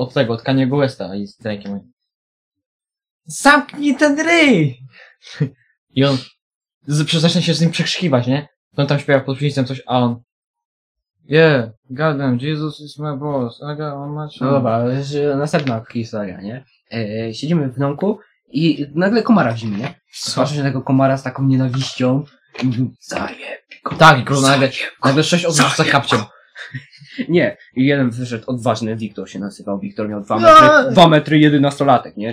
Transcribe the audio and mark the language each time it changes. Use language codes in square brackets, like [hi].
[pl] Od Kanye Westa i z trackiem. Zamknij ten ryj! I on zaczyna się z nim przekrzykiwać, nie? On tam śpiewa pod przycisem coś, a on... [en] Yeah, goddamn, Jesus is my boss, I got on my show. [pl] No dobra, następna historia, nie? Siedzimy w domku i nagle komara w zimie, nie? Patrzę się na tego komara z taką nienawiścią. Zajebko, tak, kurwa, nagle sześć osób za kapcią. Nie, jeden wyszedł odważny, Wiktor się nazywał, Wiktor miał dwa metry, jedenastolatek, nie?